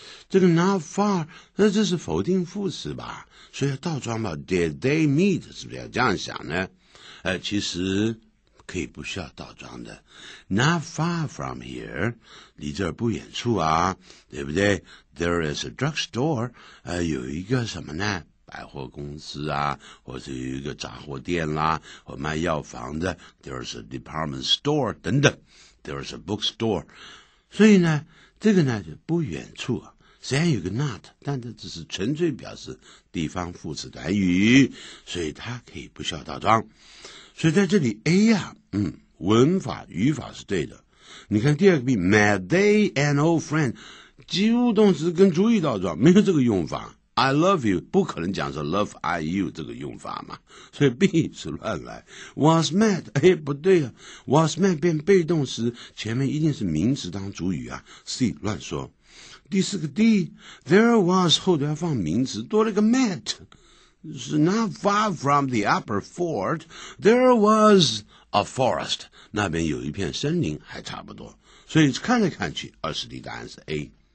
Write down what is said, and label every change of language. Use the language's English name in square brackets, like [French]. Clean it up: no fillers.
[Chinese] 这个 not far， 那这是否定副词吧？所以倒装吧 ， [English] did they meet， [Chinese] 是不是要这样想呢？其实。可以不需要倒装的 ， [English] Not far from here， [Chinese] 离这儿不远处啊，对不对 ？ [English] There is a drugstore， [Chinese] 有一个什么呢？百货公司啊，或者有一个杂货店啦，或卖药房的。 [English] There is a department store 等等 ，There is a bookstore。 [Chinese] 所以呢，这个呢就不远处啊。虽然有个 not， 但这只是纯粹表示地方副词短语，所以它可以不需要倒装。所以在这里 A 呀、啊，文法语法是对的。你看第二个 B， [English] met they an old friend， [Chinese] 及物动词跟主语倒装，没有这个用法。 [English] I love you [Chinese] 不可能讲是 [English] love I you [Chinese] 这个用法嘛，所以 B 是乱来。 [English] Was met， [Chinese] 哎，不对啊 ， [English] was met [Chinese] 变被动时，前面一定是名词当主语啊。C 乱说。第四个 D，there was 后头要放名词，多了个 met。 [English] 是 not far from the upper fort, there was a forest. [Chinese] 那边有一片森林还差不多。所以看来看去，二十题答案是 A。